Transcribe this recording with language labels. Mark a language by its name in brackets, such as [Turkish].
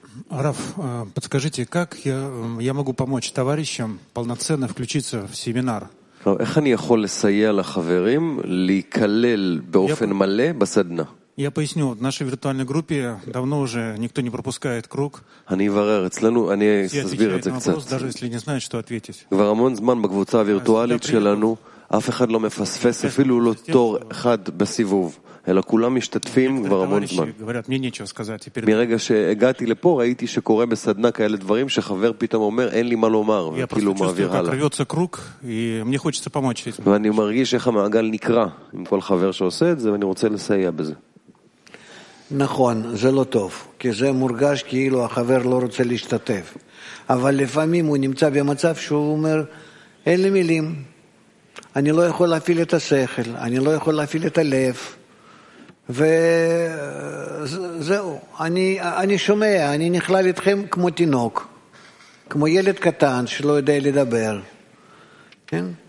[Russian] Раф, подскажите, как я могу помочь товарищам полноценно включиться в семинар? [Hebrew] איך אני יכול לסייע לחברים להיכלל באופן מלא בסדנה? [Russian] Я поясню, в нашей виртуальной группе давно уже никто не пропускает круг. [Hebrew] אני אברר, אצלנו, אני אסביר את זה קצת. [Russian] Даже если не знаешь, что ответить. [Hebrew] כבר המון זמן בקבוצה הווירטואלית שלנו, אף אחד לא מפספס, אפילו לא תור אחד בסיבוב, אלא כולם משתתפים כבר המון זמן. [Russian] говорят, мне нечего сказать теперь. [Hebrew] מרגע שהגעתי לפה, ראיתי שקורה בסדנה כאלה דברים שחבר פתאום אומר, אין לי מה לומר, וכאילו מעביר הלאה. [Russian] Я просто чувствую, как рвется круг, и мне хочется помочь этим. [Hebrew] ואני מרגיש איך המעגל נקרא עם כל חבר שעושה את זה, ואני רוצה לסייע בזה. נכון, זה לא טוב, כי זה מורגש כאילו החבר לא רוצה להשתתף. אבל לפעמים הוא נמצא במצב שהוא אומר, אין לי מילים, אני לא יכול להפעיל את השכל, אני לא יכול להפעיל את הלב, וזהו, אני שומע, אני נכלל אתכם כמו תינוק, כמו ילד קטן שלא יודע לדבר, כן?